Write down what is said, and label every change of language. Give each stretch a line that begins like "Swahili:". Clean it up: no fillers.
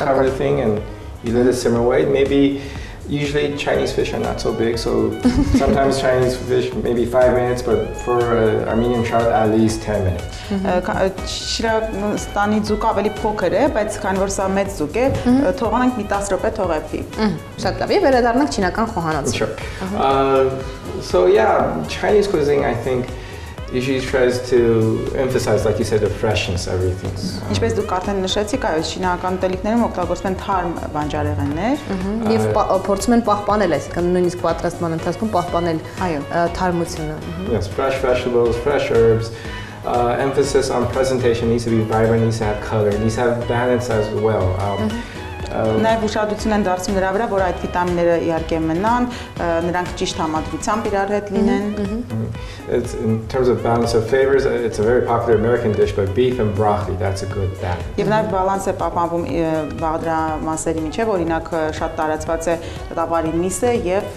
English: Cover the thing and you let it simmer away. Maybe. Usually Chinese fish are not so big, so sometimes Chinese fish maybe 5 minutes, but for Armenian trout at least 10 minutes.
Armenian: Շիրականի ձուկը ավելի փոքր է, բայց քան որ սա մեծ ձուկ է, թողանք մի 10 րոպե թողեցի։ Շատ լավ, եւ վերադառնանք չինական խոհանոցին։
English: So yeah, Chinese cuisine I think usually tries to emphasize, like you said, the freshness of everything.
Armenian: Ինչպես դուք արդեն նշեցիք, այո, չինական տոլիկներում օգտագործում են թարմ բանջարեղեններ եւ փորձում են պահպանել, այսինքն նույնիսկ պատրաստման ընթացքում պահպանել թարմությունը։
English: Yes, fresh vegetables, fresh herbs. Emphasis on presentation needs to be vibrant, needs to have color, needs to have balance as well.
Armenian: Նաև ուշադրություն են դարձում նրա վրա, որ այդ վիտամինները իհարկե մնան, նրանք ճիշտ համադրությամբ իրար հետ լինեն։
English: It's in terms of balance of flavors, it's a very popular American dish, but beef and broccoli, that's a good balance.
Armenian: Եվ նաև բալանսը պահպանվում բաղադրա մասերի միջև, օրինակ շատ տարածված է տավարի միսը եւ